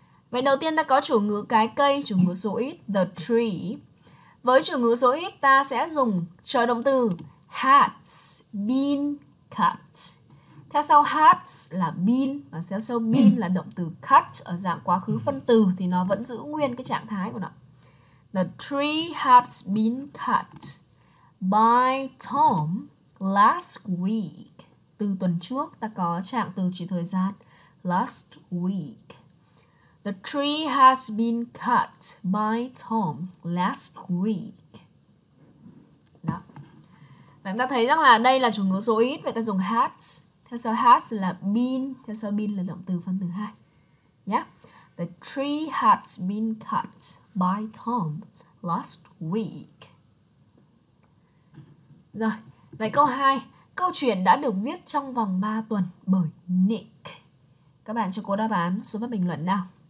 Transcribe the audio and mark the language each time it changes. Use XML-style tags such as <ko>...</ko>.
<vi>Vậy đầu tiên ta có chủ ngữ cái cây, chủ ngữ số ít, the tree. Với chủ ngữ số ít ta sẽ dùng trợ động từ has been cut. Theo sau has là been và theo sau been là động từ cut ở dạng quá khứ phân từ thì nó vẫn giữ nguyên cái trạng thái của nó.</vi> <en>The tree has been cut by Tom last week.</en> <vi>Từ tuần trước ta có trạng từ chỉ thời gian last week.</vi> <en>The tree has been cut by Tom last week.</en> <vi>Đó. Và chúng ta thấy rằng là đây là chủ ngữ số ít, vậy ta dùng has. Theo sau has là been, theo sau been là động từ phân từ 2. Yeah.</vi> <en>The tree has been cut by Tom last week.</en> <vi>Rồi, vậy câu 2. Câu chuyện đã được viết trong vòng 3 tuần bởi Nick. Các bạn cho cô đáp án xuống phần bình luận nào.</vi>